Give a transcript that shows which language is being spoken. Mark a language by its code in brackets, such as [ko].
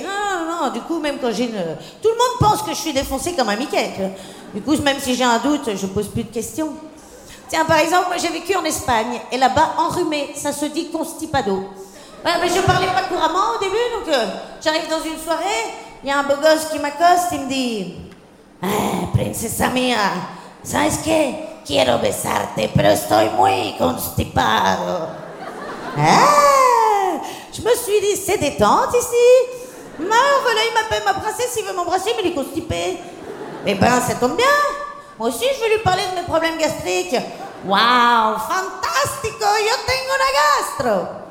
[fr] Non, non, non, du coup, même quand j'ai une... Tout le monde pense que je suis défoncée comme un Mickey. Du coup, même si j'ai un doute, je pose plus de questions. Tiens, par exemple, moi, j'ai vécu en Espagne, et là-bas, enrhumé, ça se dit constipado. Ouais, mais je parlais pas couramment au début, donc j'arrive dans une soirée, il y a un beau gosse qui m'accoste, il me dit... [es] Ah, princesa mía, ¿sabes qué? Quiero besarte, pero estoy muy constipado. [fr] Ah, je me suis dit, c'est détente ici. Non, voilà, il m'appelle ma princesse, il veut m'embrasser, mais il est constipé. Eh ben, ça tombe bien. Moi aussi, je vais lui parler de mes problèmes gastriques. Waouh, [es] fantastico, yo tengo una gastro.